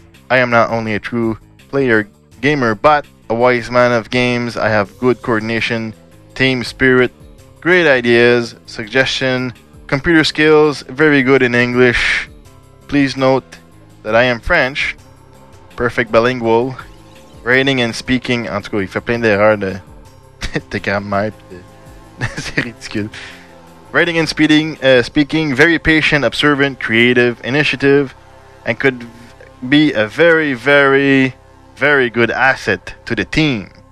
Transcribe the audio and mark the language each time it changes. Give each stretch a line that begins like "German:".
English: I am not only a true player gamer, but a wise man of games. I have good coordination, team spirit, great ideas, suggestion, computer skills, very good in English. Please note that I am French, perfect bilingual, writing and speaking.
French: En tout cas, il fait plein d'erreurs de grammaire. C'est ridicule.
English: Writing and speaking, very patient, observant, creative, initiative, and could be a very, very, very good asset to the team.